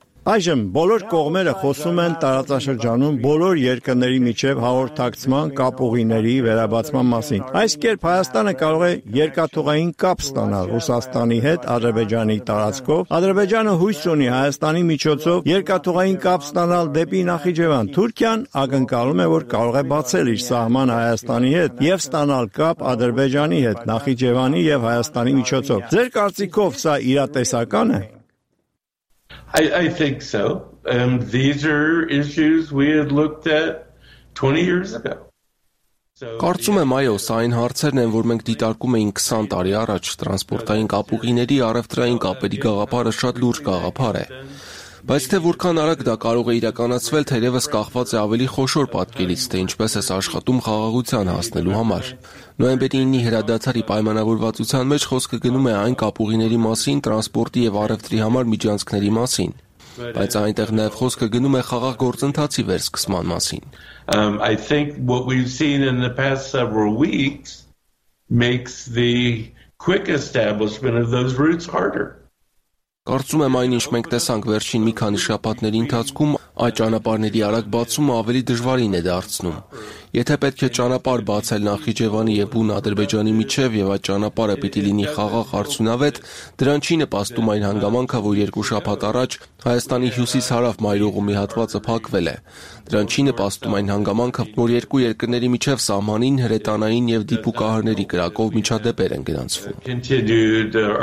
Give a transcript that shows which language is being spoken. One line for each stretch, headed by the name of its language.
Armenian: Այժմ բոլոր կողմերը խոսում են տարածաշրջանում բոլոր երկրների միջև հաղորդակցման կապուղիների վերաբացման մասին։ Այս կերպ Հայաստանը կարող է երկաթուղային կապ ստանալ Ռուսաստանի հետ Ադրբեջանի տարածքով։ Ադրբեջանը հույս ունի Հայաստանի միջոցով երկաթուղային կապ ստանալ դեպի Նախիջևան։ Թուրքիան ակնկալում է, որ կարող է բացել իր սահման Հայաստանի հետ և ստանալ կապ Ադրբեջանի հետ, Նախիջևանի և Հայաստանի միջոցով։ Ձեր կարծիքով սա իրատեսական է։
English: I think so. These are issues we had looked at 20 years ago.
Armenian: Կարծում եմ, այո, սա այն հարցերն են, որ մենք դիտարկում էինք 20 տարի առաջ։ Տրանսպորտային կապուղիների առևտրային կապերի գաղափարը շատ լուրջ գաղափար է։ Բայց թե որքան արագ դա կարող է իրականացվել, թերևս կախված է ավելի խոշոր պատկերից, թե ինչպես ես աշխատում խաղաղության հասնելու համար։ Նոյեմբերի 9-ի հրադադարի պայմանավորվածության մեջ խոսքը գնում է այն կապուղիների մասին, տրանսպորտի և առևտրի համար միջանցքների մասին, բայց այնտեղ նաև խոսքը գնում է խաղաղ գործընթացի վերսկսման մասին։
English: I think what we've seen in the past several weeks makes the quick establishment of those routes harder.
Armenian: Կարծում եմ, այնինչ մենք տեսանք վերջին մի քանի շաբաթների ընթացքում, այդ ճանապարհների արագ բացումը ավելի դժվարին է դարձնում։ Եթե պետք է ճանապարհ բացել Նախիջևանի և Բուն Ադրբեջանի միջև և այդ ճանապարհը պիտի լինի խաղաղ արդյունավետ, դրան չի նպաստում այն հանգամանքը, որ երկու շաբաթ առաջ Հայաստանի հյուսիս-հարավ մայրուղումի հատվածը փակվել է։ Դրան չի նպաստում այն հանգամանքը, որ երկու երկրների միջև սահմանին, հրետանային և դիպուկահարների կրակով միջադեպեր են գրանցվում։